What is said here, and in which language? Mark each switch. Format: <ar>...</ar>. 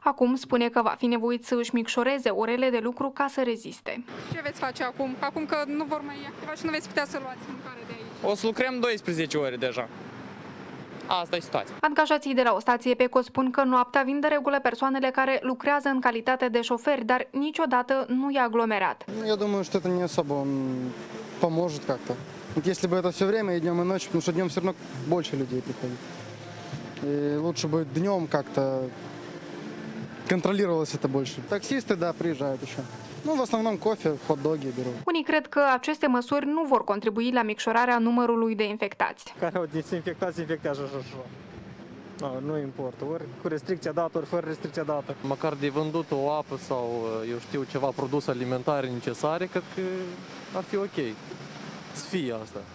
<ro>Acum spune că va fi nevoit să își micșoreze orele de lucru ca să reziste. Ce veți face acum? Acum că nu vor mai activa și nu veți putea să luați mâncare de aici. O să lucrăm 12 ore deja. Asta e situația. Angajații de la o stație PECO spun că noaptea vin de regulă persoanele care lucrează în calitate de șoferi, dar niciodată nu i-a aglomerat. Eu</ro> <ru>думаю, что это не особо поможет как-то. Если бы это все время, и днем, и ночью, потому что днем все равно больше людей приходит. И лучше бы днем как-то контролировалось это больше. Таксисты, да, приезжают еще.</ru> <ro>Nu, în</ro> <ru>основном кофе, hot-dog-i beru.</ru> <ro>Unii cred că aceste măsuri nu vor contribui la micșorarea numărului de infectați. Care au dezinfectat, se infectează și așa. No, nu importă, ori cu restricția dată, ori fără restricția dată. Măcar de vândut o apă sau, eu știu, ceva produs alimentare necesare, cred că ar fi ok să fie asta.</ro>